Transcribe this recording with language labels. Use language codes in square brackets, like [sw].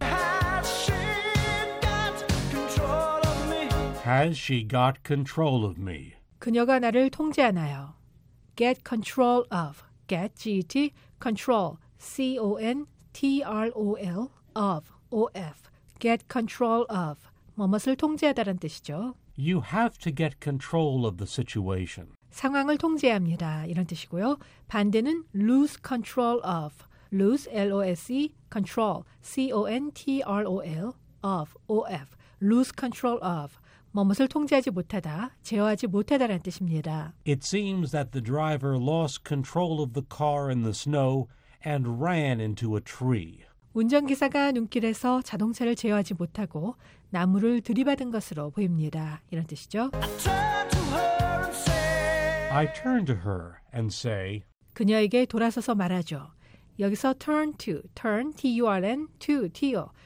[en] Has she got control of me? [ko] 그녀가 나를 통제하나요? [en] Get control of. Get, G-E-T, control. C-O-N-T-R-O-L, of, O-F. Get control of. [ko] 뭐뭇을 통제하다란 뜻이죠. [en] You have to get control of the situation. [ko] 상황을 통제합니다. 이런 뜻이고요. 반대는 [en] lose control of. Lose, L-O-S-E, control, C-O-N-T-R-O-L, of, O-F. Lose control of. [ko] 뭐뭇을 통제하지 못하다, 제어하지 못하다란 뜻입니다. [en] It seems that the driver lost control of the car in the snow and ran into a tree. [ko] 운전기사가 눈길에서 자동차를 제어하지 못하고 나무를 들이받은 것으로 보입니다. 이런 뜻이죠. [en] I turn to her and say. [ko] 그녀에게 돌아서서 말하죠. 여기서 [en] turn, T-U-R-N, to, T-O.